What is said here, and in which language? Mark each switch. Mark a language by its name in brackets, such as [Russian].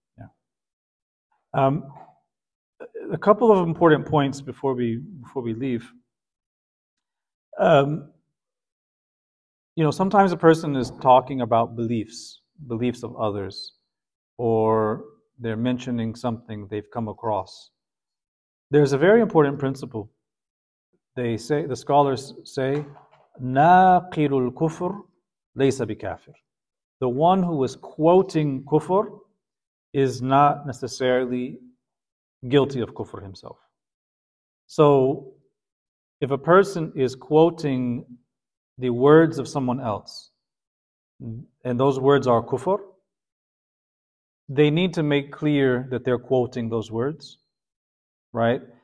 [English] Yeah. A couple of important points before we leave. Sometimes a person is talking about beliefs of others, or they're mentioning something they've come across. There's a very important principle. The scholars say, [Arabic] ناقل الكفر ليس بكافر. [English] The one who is quoting kufr is not necessarily guilty of kufr himself. So if a person is quoting the words of someone else, and those words are kufr, they need to make clear that they're quoting those words, right?